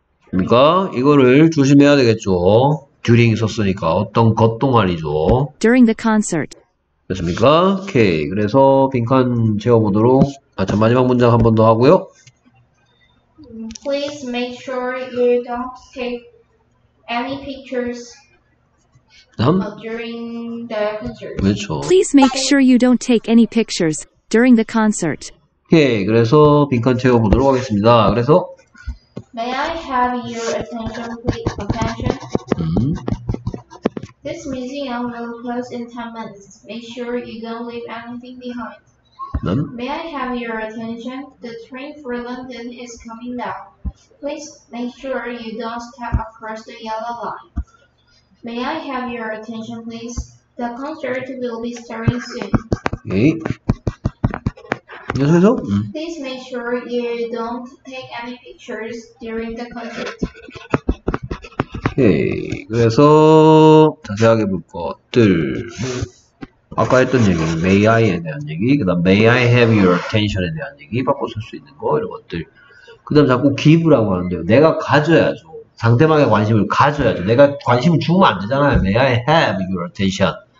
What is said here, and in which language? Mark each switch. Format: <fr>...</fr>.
<ko>그러니까 이거를 조심해야 되겠죠. During 썼으니까 어떤 것 동안이죠.</ko> <en>During the concert.</en> <ko>됐습니까? Okay. 그래서 빈칸 채워보도록. 아, 참 마지막 문장 한 번 더 하고요.</ko> <en>Please make sure you don't take any pictures.</en> <ko>다음?</ko> <en>During the concert.</en> <ko>그렇죠.</ko> <en>Please make sure you don't take any pictures during the concert.</en> <ko>Okay, 그래서 빈칸 채워 보도록 하겠습니다. 그래서</ko> <en>May I have your attention, please? Attention. This museum will close in 10 minutes. Make sure you don't leave anything behind.</en> <ko>다음?</ko> <en>May I have your attention? The train for London is coming now. Please make sure you don't step across the yellow line. May I have your attention, please? The concert will be starting soon.</en> <ko>Okay. 계속해서?</ko> <en>Please make sure you don't take any pictures during the concert. Okay.</en> <ko>그래서 자세하게 볼 것들. 아까 했던 얘기, may I에 대한 얘기, 그 다음</ko> <en>may I have your attention</en> <ko>에 대한 얘기, 바꿔 쓸 수 있는 거, 이런 것들. 그 다음 자꾸 give라고 하는데요. 내가 가져야죠. 상대방의 관심을 가져야죠. 내가 관심을 주면 안 되잖아요.</ko> <en>May I have your attention?</en>